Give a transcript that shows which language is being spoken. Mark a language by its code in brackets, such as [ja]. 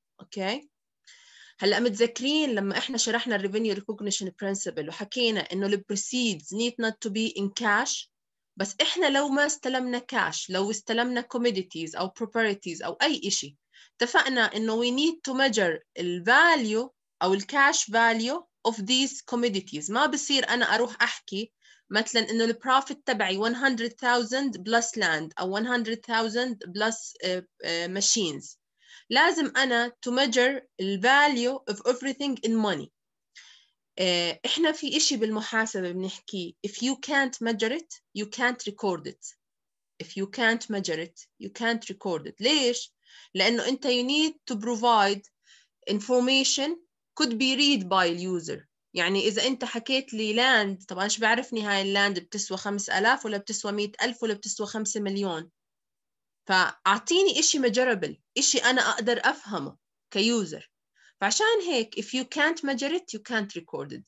[ar] أوكي؟ هلأ متذكرين لما إحنا شرحنا الريفينيو ريكوجنيشن برينسيبل وحكينا إنه البروسيدز نيد نوت تو بي إن كاش، بس إحنا لو ما استلمنا كاش، لو استلمنا كوميديتيز أو بروبريتيز أو أي إشي، اتفقنا إنه [en] we need to measure the value أو the cash value of these commodities. [ar] ما بصير أنا أروح أحكي مثلاً إنه the profit تبعي 100,000 plus land أو 100,000 plus machines. لازم أنا [en] to measure the value of everything in money. [ar] إحنا في إشي بالمحاسبة بنحكي [en] if you can't measure it, you can't record it. If you can't measure it, you can't record it. [ar] ليش؟ لأنه أنت [en] you need to provide information could be read by the user. [ar] يعني إذا أنت حكيت لي land، طبعا شو بعرفني هاي land بتسوى 5,000 ولا بتسوى 100,000 ولا بتسوى 5,000,000. فأعطيني إشي measurable، إشي أنا أقدر أفهمه كuser. فعشان هيك [en] if you can't measure it you can't record it.